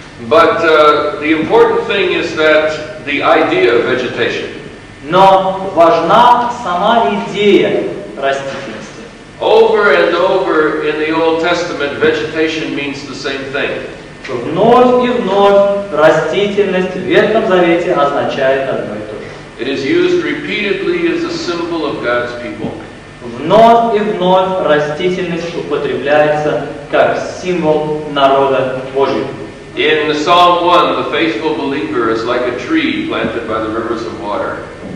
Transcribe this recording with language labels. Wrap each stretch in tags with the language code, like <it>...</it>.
<en>But the important thing is that the idea of vegetation.</en> <ru>Но важна сама идея растительности.</ru> <en>Over and over in the Old Testament, vegetation means the same thing.</en> <ru>Вновь и вновь растительность в Ветхом Завете означает одно и то же.</ru> <en>It is used repeatedly as a symbol of God's people.</en> <ru>Вновь и вновь растительность употребляется как символ народа Божьего.</ru> <en>In Psalm 1, the faithful believer is like a tree planted by the rivers of water.</en>